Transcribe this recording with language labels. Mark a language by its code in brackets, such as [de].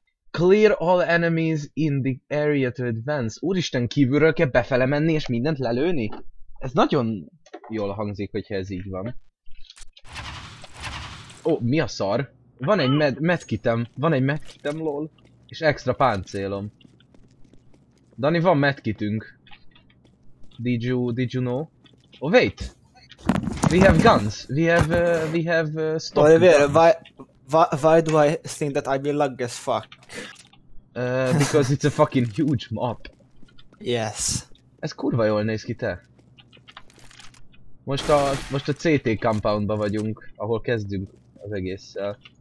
[en] Clear all enemies in the area to advance. [hu] Úristen, kívülről kell befele menni és mindent lelőni? Ez nagyon jól hangzik, hogyha ez így van. Ó, mi a szar? Van egy medkitem. Van egy medkitem, lol. És extra páncélom. Dani, van medkitünk. [en] Did you know? Oh, wait! We have guns. We have stock guns. Why do I think that I'll be lucky as fuck? Because it's a fucking huge map. Yes. [hu] Ez kurva jól néz ki, te. Most a CT compoundba vagyunk, ahol kezdünk az egésszel.